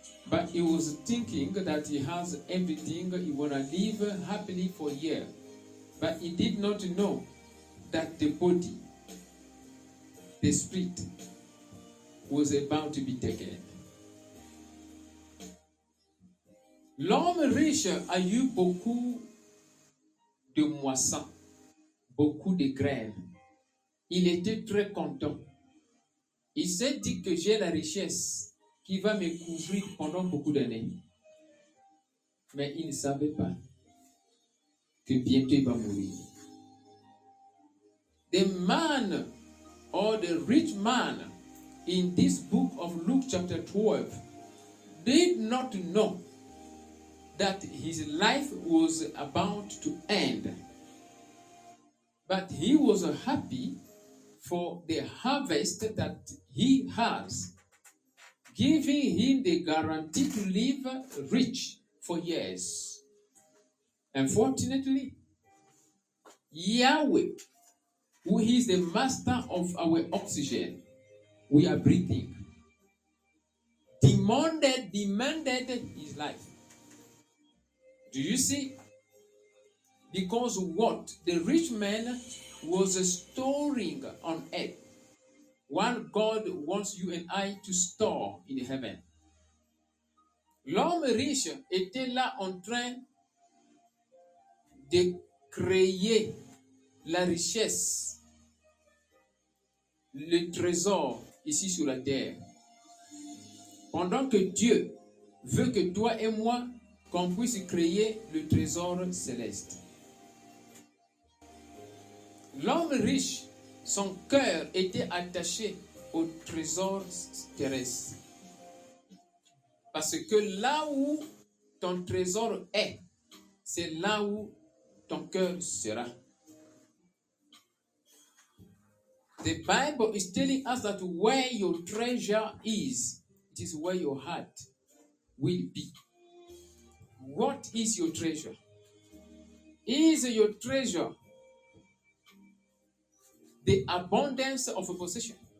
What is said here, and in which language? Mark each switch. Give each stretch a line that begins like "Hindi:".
English: But he was thinking that he has everything, he wanna live happily for a year. But he did not know that the body, the spirit, was about to be taken.
French: L'homme riche a eu beaucoup de moisson, beaucoup de graines. Il était très content. Il s'est dit que j'ai la richesse qui va me couvrir pendant beaucoup d'années. Mais il ne savait pas que bientôt il va mourir.
English: The man, or the rich man, in this book of Luke chapter 12, did not know that his life was about to end. But he was happy for the harvest that he has, giving him the guarantee to live rich for years. Unfortunately, Yahweh, who is the master of our oxygen we are breathing, demanded his life. Do you see? Because what the rich man was storing on earth, what God wants you and I to store in heaven.
French: L'homme riche était là en train de créer la richesse, le trésor ici sur la terre. Pendant que Dieu veut que toi et moi, qu'on puisse créer le trésor céleste. L'homme riche, son cœur était attaché au trésor terrestre. Parce que là où ton trésor est, c'est là où ton cœur sera.
English: The Bible is telling us that where your treasure is, it is where your heart will be. What is your treasure? Is your treasure the abundance of a possession?